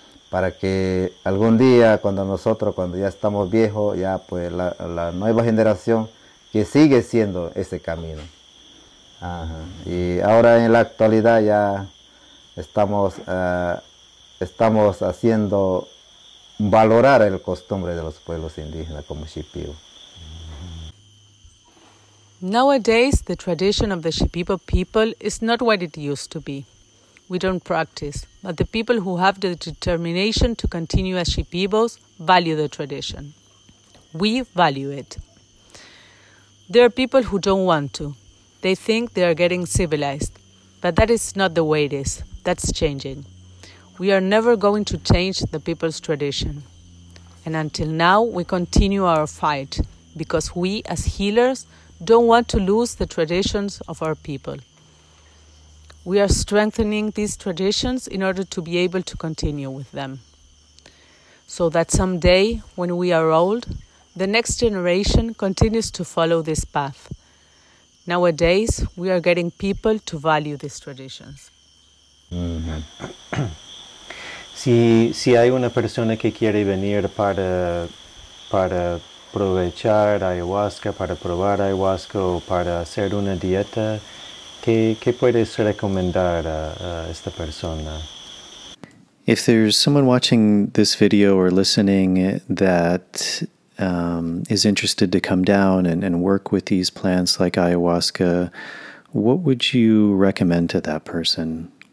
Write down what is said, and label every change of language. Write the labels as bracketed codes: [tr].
[es] Para que algún día cuando ya estamos viejos, ya pues la nueva generación que sigue siendo ese camino. Ajá. Y ahora en la actualidad ya estamos haciendo valorar el costumbre de los pueblos indígenas como Shipibo. [en] Nowadays, the tradition of the Shipibo people is not what it used to be. We don't practice, but the people who have the determination to continue as Shipibos value the tradition. We value it. There are people who don't want to. They think they are getting civilized, but that is not the way it is. That's changing. We are never going to change the people's tradition. And until now, we continue our fight because we, as healers, don't want to lose the traditions of our people. We are strengthening these traditions in order to be able to continue with them. so that someday, when we are old, the next generation continues to follow this path. Nowadays, we are getting people to value these traditions. [es] Si hay una persona que quiere venir para aprovechar ayahuasca, para probar ayahuasca o para hacer una dieta, ¿qué puedes recomendar a esta persona? [en] If there's someone watching this video or listening that is interested to come down and work with these plants like ayahuasca, what would you recommend to that person?